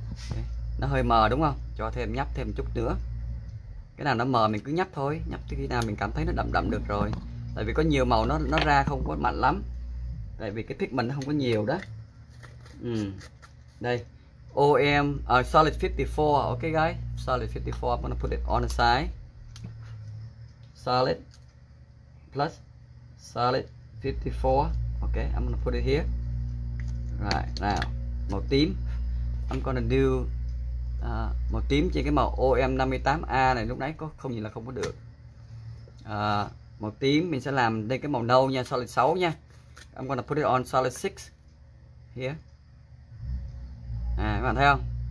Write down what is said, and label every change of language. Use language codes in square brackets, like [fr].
[vi] Okay. Nó hơi mờ đúng không? Cho thêm nhấp thêm chút nữa. cái nào nó mờ mình cứ nhấp thôi, nhấp tới khi nào mình cảm thấy nó đậm đậm được rồi. Tại vì có nhiều màu nó ra không có mạnh lắm, tại vì cái pigment nó không có nhiều đó. [en] Đây OM solid 54, okay guys, solid 54, I'm gonna put it on the side, solid plus solid 54, okay, I'm gonna put it here. Right now [vi] màu tím, [en] I'm gonna do [vi] màu tím trên cái màu OM58A này, lúc nãy có không nhìn là không có được. Màu tím mình sẽ làm lên cái màu nâu nha, solid 6 nha. [en] I'm gonna put it on solid 6 here. [vi] À, các bạn thấy không?